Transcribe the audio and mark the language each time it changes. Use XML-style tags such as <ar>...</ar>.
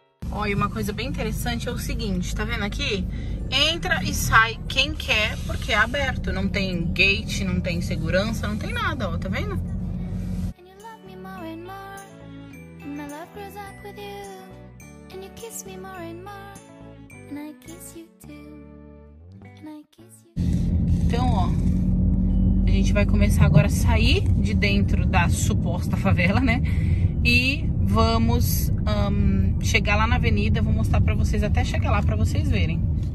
<pt>Olha, uma coisa bem interessante é o seguinte, tá vendo aqui? Entra e sai quem quer, porque é aberto. Não tem gate, não tem segurança, não tem nada, ó, tá vendo?</pt> <en>And you love me more and more, and my love grows up with you. And you kiss me more and more, and I kiss you too.</en> <pt>Então, ó, a gente vai começar agora a sair de dentro da suposta favela, né? E vamos chegar lá na avenida, vou mostrar pra vocês até chegar lá pra vocês verem.</pt>